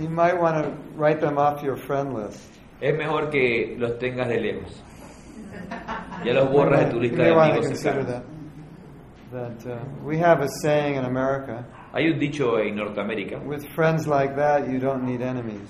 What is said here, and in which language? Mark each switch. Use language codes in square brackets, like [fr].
[en] you might want to write them off your friend list. [es] Es mejor que los tengas de lejos. Ya los borras de tu lista de amigos cercanos. [en] That we have a saying in America. [es] Hay un dicho en Norteamérica. [en] With friends like that, you don't need enemies.